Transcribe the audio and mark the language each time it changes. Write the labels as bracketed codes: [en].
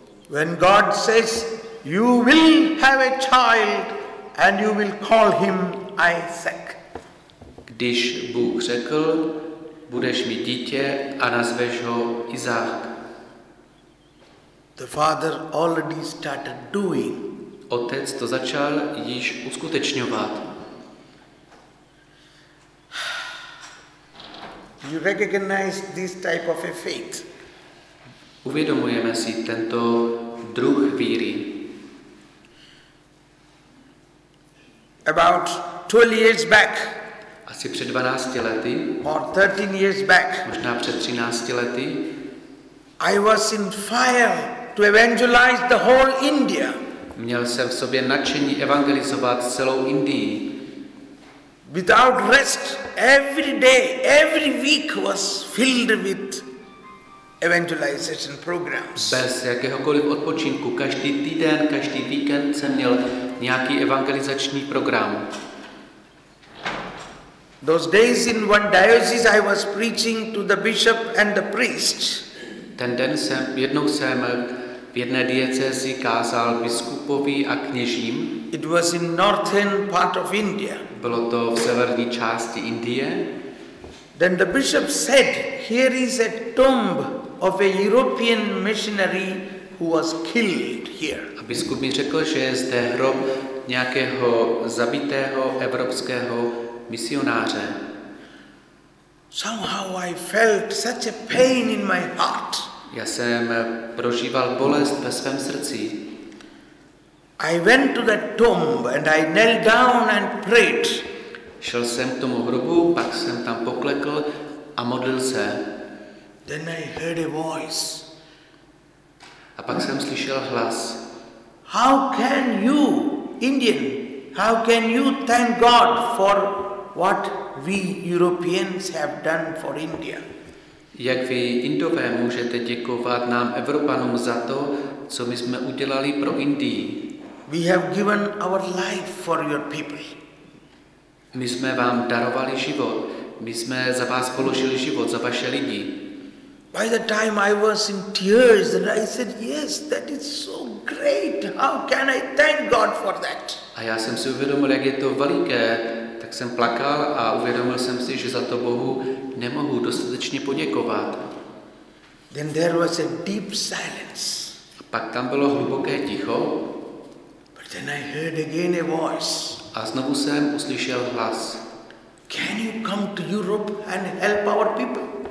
[en] When God says you will have a child and you will call him Isaac. [cs] Když Bůh řekl, budeš mít dítě a nazveš ho Izák. [en] The father already started doing. [cs] Otec to začal již uskutečňovat. [en] You recognize this type of a faith. [cs] Uvědomujeme si tento druh víry. [en] About 12 years back. [cs] Asi před 12 lety. [en] Or 13 years back. [cs] Možná před 13 lety. [en] I was in fire to evangelize the whole India. [cs] Měl jsem v sobě nadšení evangelizovat celou Indii. [en] Without rest, every day, every week was filled with evangelization programs. [cs] Bez jakéhokoliv odpočinku, každý týden, každý víkend jsem měl nějaký evangelizační program. [en] Those days in one diocese I was preaching to the bishop and the priest. [cs] Ten den jsem, jednou jsem v jedné diecezi kázal biskupovi a kněžím. [en] It was in northern part of India. [cs] Bylo to v severní části Indie. [en] Then the bishop said, here is a tomb of a European missionary who was killed here. [cs] A biskup mi řekl, že je zde hrob nějakého zabitého evropského misionáře. [en] Somehow I felt such a pain in my heart. [cs] Já jsem prožíval bolest ve svém srdci. [en] I went to that tomb and I knelt down and prayed. [cs] Šel jsem k tomu hrobu, pak jsem tam poklekl a modlil se. [en] Then I heard a voice. [cs] A pak jsem slyšel hlas. [en] How can you, Indian, how can you thank God for what we Europeans have done for India? [cs] Jak vy, Indové, můžete děkovat nám, Evropanům, za to, co my jsme udělali pro Indii? [en] We have given our life for your people. [cs] My jsme vám darovali život. My jsme za vás položili život, za vaše lidi. [en] By the time I was in tears and I said, yes, that is so great. How can I thank God for that? [cs] A já jsem si uvědomil, jak je to veliké. Tak jsem plakal a uvědomil jsem si, že za to Bohu nemohu dostatečně poděkovat. [en] Then there was a deep silence. [cs] A pak tam bylo hluboké ticho. [en] But then I heard again a voice. [cs] A znovu jsem uslyšel hlas. [en] Can you come to Europe and help our people?